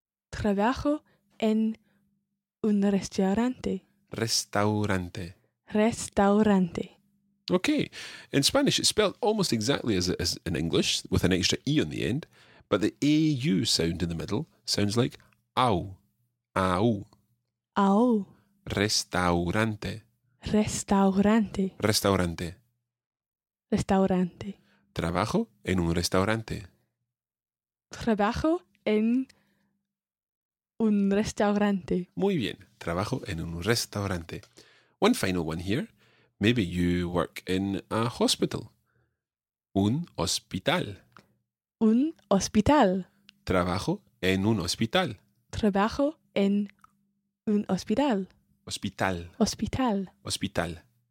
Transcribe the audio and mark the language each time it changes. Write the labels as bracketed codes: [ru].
[es] Trabajo en un restaurante. Restaurante. Restaurante. [en] Okay. In Spanish, it's spelled almost exactly as it is in English, with an extra E on the end, but the A-U sound in the middle sounds like au. Au. Au. [es] Restaurante. Restaurante. Restaurante. Restaurante. Trabajo en un restaurante. Trabajo en un restaurante. Muy bien. Trabajo en un restaurante. [en] One final one here. Maybe you work in a hospital. [es] Un hospital. Un hospital. Trabajo en un hospital. Trabajo en un hospital. Hospital. Hospital. Hospital.